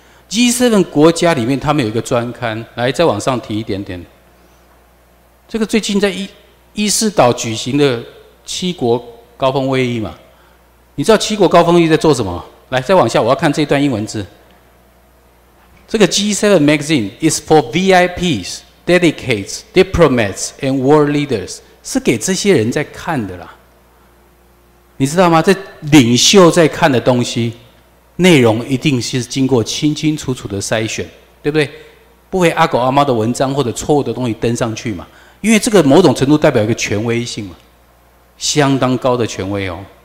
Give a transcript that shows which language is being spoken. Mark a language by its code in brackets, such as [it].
[zh] G7 国家里面，他们有一个专刊，来再往上提一点点。这个最近在伊势岛举行的七国高峰会议嘛，你知道七国高峰会议在做什么？来，再往下，我要看这段英文字。 [en] 这个 G7 magazine is for VIPs, dedicates, diplomats, and world leaders， [zh] 是给这些人在看的啦。你知道吗？这领袖在看的东西，内容一定是经过清清楚楚的筛选，对不对？不会阿狗阿猫的文章或者错误的东西登上去嘛。因为这个某种程度代表一个权威性嘛，相当高的权威哦。